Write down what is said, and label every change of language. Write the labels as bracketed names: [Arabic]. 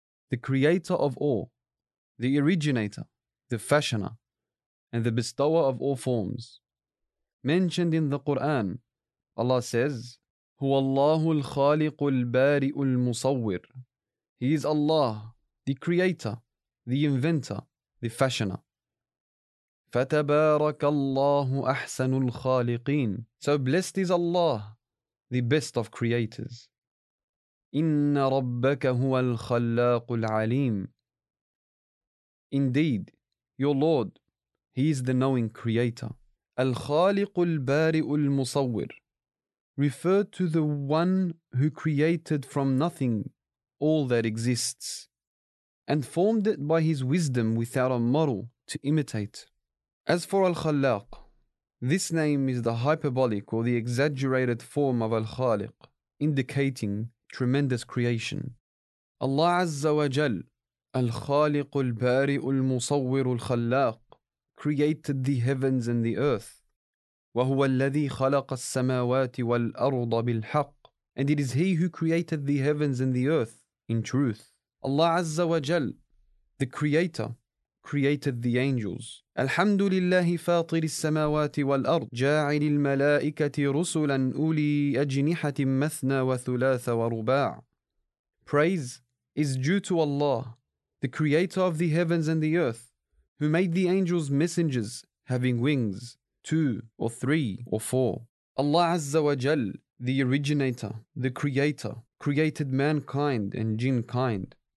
[English] The creator of all, the originator, the fashioner, and the bestower of all forms. Mentioned in the Quran, Allah says, [Arabic] هو الله الخالق البارئ المصور. [English] He is Allah, the creator, the inventor, the fashioner. [Arabic] فتبارك الله أحسن الخالقين. [English] So blessed is Allah, the best of creators. [Arabic] إن ربك هو الخلاق العليم. [English] Indeed, your Lord, He is the knowing creator. [Arabic] الخالق البارئ المصور [English] referred to the one who created from nothing all that exists and formed it by his wisdom without a model to imitate. As for Al-Khalaq, this name is the hyperbolic or the exaggerated form of Al-Khaliq, indicating tremendous creation. Allah Azza wa Jal, Al-Khaliq Al-Bari' Al-Musawwir Al-Khalaq, created the heavens and the earth. [Arabic] وَهُوَ الَّذِي خَلَقَ السَّمَاوَاتِ وَالْأَرْضَ بِالْحَقِّ. [English] And it is He who created the heavens and the earth in truth. Allah Azza wa Jal, the Creator, created the angels. [Arabic] الحمد لله فاطر السماوات والأرض جاعل الملائكة رسلا أولي أجنحة مثنى وثلاث ورباع. [English] Praise is due to Allah, the Creator of the heavens and the earth, who made the angels messengers having wings, two or three or four. Allah Azza wa Jal, the originator, the creator, created mankind and jinnkind.